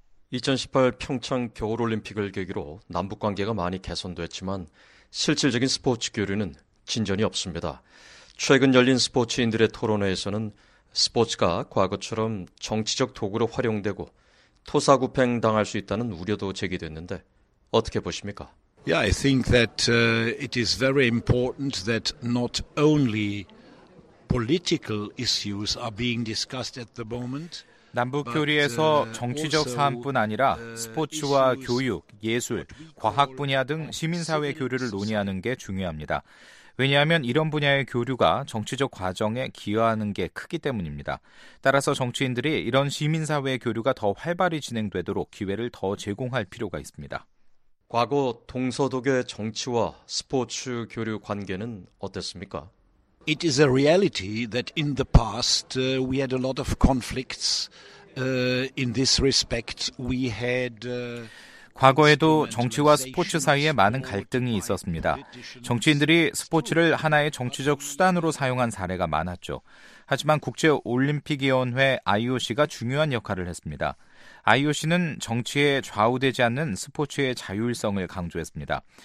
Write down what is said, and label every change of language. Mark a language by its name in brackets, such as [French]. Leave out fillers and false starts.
[Korean] 2018 평창 겨울올림픽을 계기로 남북관계가 많이 개선됐지만 실질적인 스포츠 교류는 진전이 없습니다. 최근 열린 스포츠인들의 토론회에서는 스포츠가 과거처럼 정치적 도구로 활용되고 토사구팽 당할 수 있다는 우려도 제기됐는데 어떻게 보십니까? [English] Yeah, I think that it is very important that not only political issues are being discussed at the moment. [Korean] 남북 교류에서 정치적 사안뿐 아니라 스포츠와 교육, 예술, 과학 분야 등 시민사회 교류를 논의하는 게 중요합니다. 왜냐하면 이런 분야의 교류가 정치적 과정에 기여하는 게 크기 때문입니다. 따라서 정치인들이 이런 시민사회 교류가 더 활발히 진행되도록 기회를 더 제공할 필요가 있습니다. 과거 동서독의 정치와 스포츠 교류 관계는 어땠습니까? [English] It is a reality that in the past we had a lot of conflicts. In this respect, we had [Korean] 과거에도 정치와 스포츠 사이에 많은 갈등이 있었습니다. 정치인들이 스포츠를 하나의 정치적 수단으로 사용한 사례가 많았죠. 하지만 국제올림픽위원회 IOC가 중요한 역할을 했습니다. IOC는 정치에 좌우되지 않는 스포츠의 자율성을 강조했습니다.